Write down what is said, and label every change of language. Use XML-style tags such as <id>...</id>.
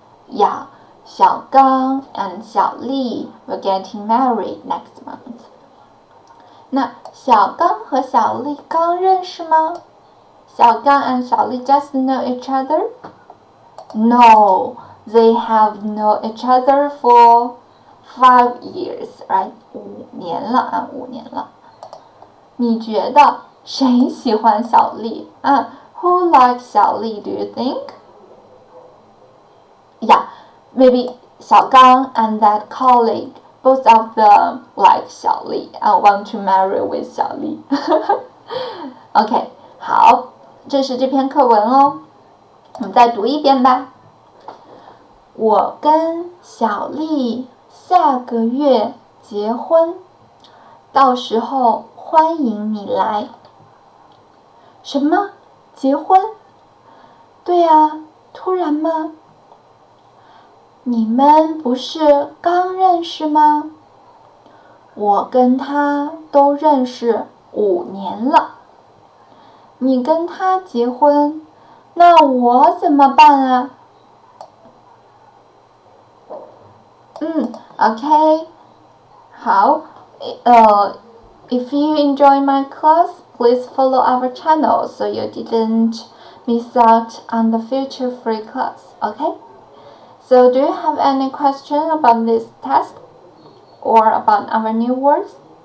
<en>Yeah, 小刚 and 小丽 will getting married next month.</en> <zh>那小刚和小丽刚认识吗？</zh> <en>小刚 and 小丽 just know each other? No, they have known each other for 5 years, right?</en> <zh>五年了啊，五年了。你觉得谁喜欢小丽啊 ？</zh> <en>Who likes 小丽 ？Do you think? Yeah, maybe 小刚 and that colleague, both of them like 小丽 and want to marry with 小丽。</en> <zh>OK, 好，这是这篇课文哦。我们再读一遍吧。我跟小丽下个月结婚，到时候欢迎你来。什么？结婚？对啊，突然吗？你们不是刚认识吗？我跟他都认识五年了。你跟他结婚，那我怎么办啊？</zh> <en>OK, 好, if you enjoy my class, please follow our channel so you didn't miss out on the future free class, OK? So do you have any question about this test or about our new words?</en>